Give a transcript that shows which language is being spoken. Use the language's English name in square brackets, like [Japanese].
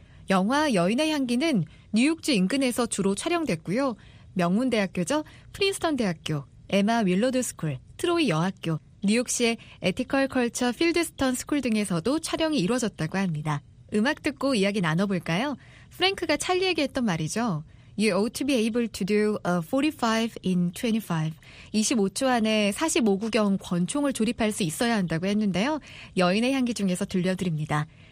[Korean] 영화 여인의 향기는 뉴욕주 인근에서 주로 촬영됐고요. 명문대학교죠. 프린스턴 대학교, 에마 윌로드 스쿨, 트로이 여학교, 뉴욕시의 에티컬 컬처 필드스턴 스쿨 등에서도 촬영이 이루어졌다고 합니다. 음악 듣고 이야기 나눠볼까요? 프랭크가 찰리에게 했던 말이죠. [English] You ought to be able to do a 45 in 25. [Korean] 25초 안에 45구경 권총을 조립할 수 있어야 한다고 했는데요. 여인의 향기 중에서 들려드립니다.